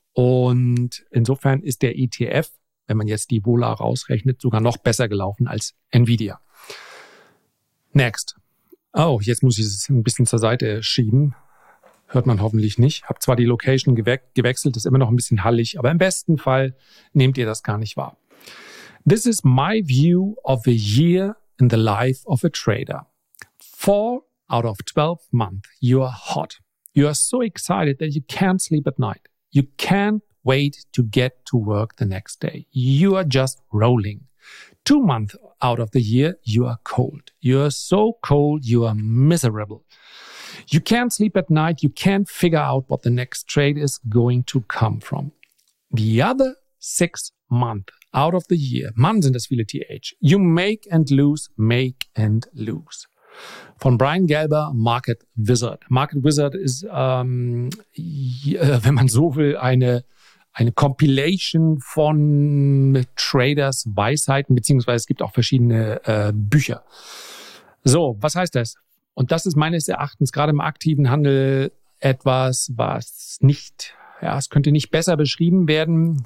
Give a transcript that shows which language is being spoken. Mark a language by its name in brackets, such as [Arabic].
[German] Und insofern ist der ETF, wenn man jetzt die Vola rausrechnet, sogar noch besser gelaufen als Nvidia. [English] Next. [German] Oh, jetzt muss ich es ein bisschen zur Seite schieben. Hört man hoffentlich nicht. Hab zwar die Location gewechselt, ist immer noch ein bisschen hallig, aber im besten Fall nehmt ihr das gar nicht wahr. [English] This is my view of a year in the life of a trader. 4 out of 12 months, you are hot. You are so excited that you can't sleep at night. You can't wait to get to work the next day. You are just rolling. 2 months out of the year, you are cold. You are so cold, you are miserable. You can't sleep at night. You can't figure out what the next trade is going to come from. The other 6 months out of the year, months in this viele TH, you make and lose, make and lose. From Brian Gelber, Market Wizard. [German] Market Wizard ist, wenn man so will, eine Compilation von Traders Weisheiten, beziehungsweise es gibt auch verschiedene Bücher. So, was heißt das? Und das ist meines Erachtens gerade im aktiven Handel etwas, was nicht, ja, es könnte nicht besser beschrieben werden.